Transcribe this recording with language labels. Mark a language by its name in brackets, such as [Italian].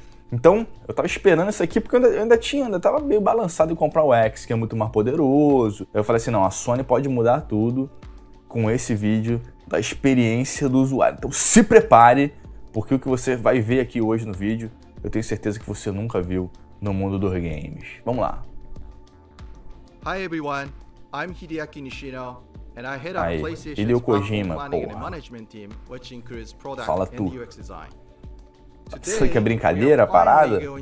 [Portuguese] Então, eu tava esperando isso aqui, porque eu ainda tava meio balançado em comprar o X, que é muito mais poderoso. Eu falei assim, não, a Sony pode mudar tudo com esse vídeo da experiência do usuário. Então, se prepare, porque o que você vai ver aqui hoje no vídeo, eu tenho certeza que você nunca viu no mundo dos games. Vamos lá. [English] Hi everyone, I'm Hideaki Nishino, and I head up [Portuguese] aí, [English] PlayStation's Kojima, planning and management team, which includes product and UX design. [Portuguese] Isso aqui é brincadeira, parada?